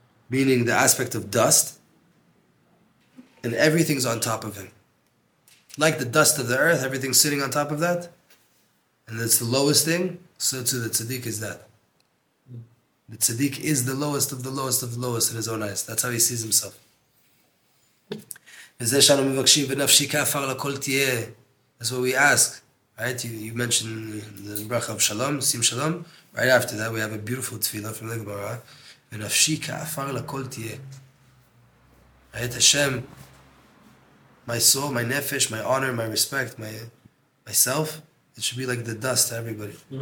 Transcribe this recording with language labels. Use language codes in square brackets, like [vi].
[en] Meaning the aspect of dust. And everything's on top of him. Like the dust of the earth, everything's sitting on top of that. And that's the lowest thing. So too the tzaddik is that. The tzaddik is the lowest of the lowest of the lowest in his own eyes. That's how he sees himself. [he] וזה שאנו מבקשים ונפשי כאפר לכל תהיה. [en] That's what we ask. Right? You mentioned the bracha of shalom, sim shalom. Right after that we have a beautiful tefillah from the Gemara. [he] ונפשי כאפר לכל תהיה. [en] Right? Hashem, my soul, my nefesh, my honor, my respect, myself, it should be like the dust to everybody.